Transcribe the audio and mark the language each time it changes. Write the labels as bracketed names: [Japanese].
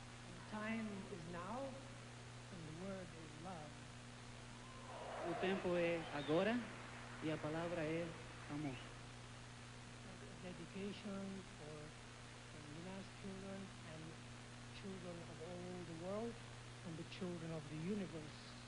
[English] The time is now and the word is love. [Portuguese] O tempo é agora e a palavra é amor. [English] Dedication for Luna's children and children of all the world and the children of the universe.